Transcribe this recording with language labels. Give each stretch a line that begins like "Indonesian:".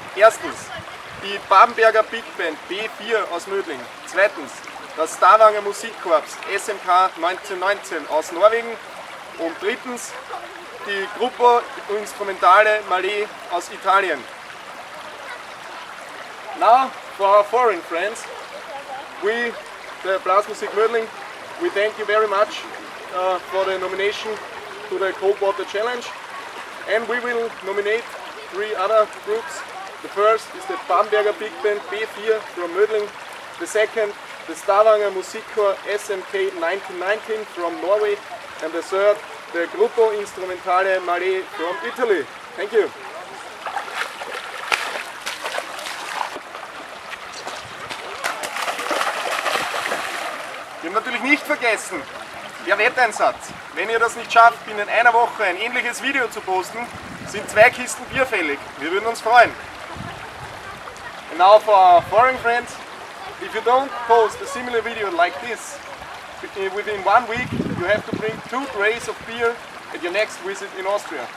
German: Erstens die Babenberger Big Band B4 aus Mödling. Zweitens das Stavanger Musikkorps SMK 1919 aus Norwegen. Und drittens die Gruppo Instrumentale Malé aus Italien.
English: Now, for our foreign friends, we, the Blasmusik Mödling, we thank you very much for the nomination to the Cold Water Challenge. And we will nominate three other groups. The first is the Bamberger Big Band B4 from Mödling. The second, the Stavanger Musikkorps SMK 1919 from Norway. And the third, the Gruppo Instrumentale Malé from Italy. Thank you.
German: Wir haben natürlich nicht vergessen, der Wetteinsatz. Wenn ihr das nicht schafft, binnen einer Woche ein ähnliches Video zu posten, sind zwei Kisten Bier fällig. Wir würden uns freuen.
English: And now for our foreign friends, if you don't post a similar video like this, within 1 week, you have to bring 2 trays of beer at your next visit in Austria.